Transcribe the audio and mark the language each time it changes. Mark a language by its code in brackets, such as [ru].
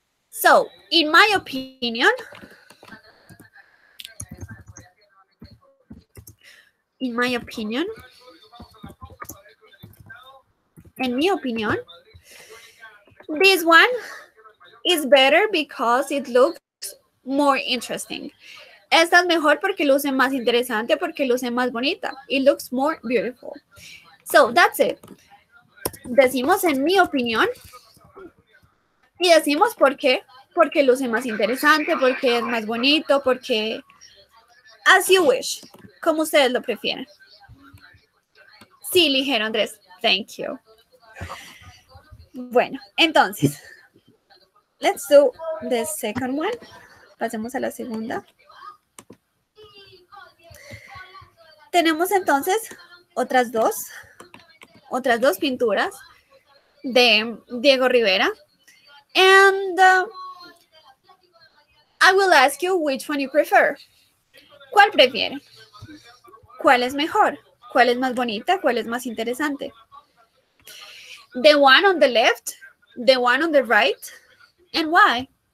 [en] So, in my opinion, this one is better because it looks more interesting. [es] Esta es mejor porque luce más interesante, porque luce más bonita. [en] It looks more beautiful. So, that's it. [es] Decimos en mi opinión y decimos por qué. Porque luce más interesante, porque es más bonito, porque [en] as you wish, [es] como ustedes lo prefieren. Sí, ligero, Andrés. [en] Thank you. [es] Bueno, entonces, [en] let's do the second one. [es] Pasemos a la segunda. Tenemos entonces otras dos pinturas de Diego Rivera. [en] And I will ask you which one you prefer. [es] ¿Cuál prefieren? ¿Cuál es mejor? ¿Cuál es más bonita? ¿Cuál es más interesante? [en] The one on the left, the one on the right, and why?